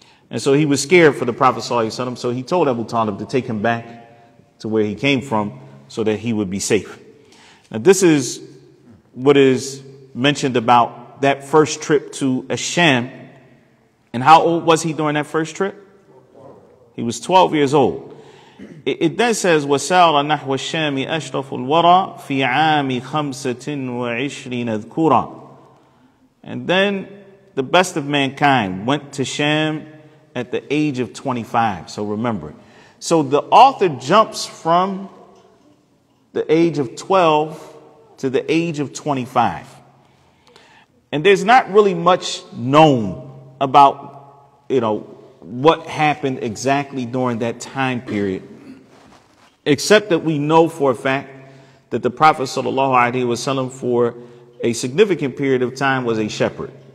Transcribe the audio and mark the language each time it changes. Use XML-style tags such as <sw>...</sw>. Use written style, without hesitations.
<en>And so he was scared for the Prophet Sallallahu Alaihi Wasallam, so he told Abu Talib to take him back to where he came from so that he would be safe. Now this is what is mentioned about that first trip to Asham. And how old was he during that first trip? He was 12 years old. It then says,</en> <ar>وَسَعَلَ نَحْوَ الشَّامِ أَشْرَفُ الْوَرَىٰ فِي عَامِ خَمْسَةٍ وَعِشْرِينَ ذْكُورًا.</ar> <en>And then the best of mankind went to Sham at the age of 25. So remember. So the author jumps from the age of 12 to the age of 25. And there's not really much known about, you know, what happened exactly during that time period, except that we know for a fact that the Prophet sallallahu alaihi wasallam for a significant period of time was a shepherd.</en>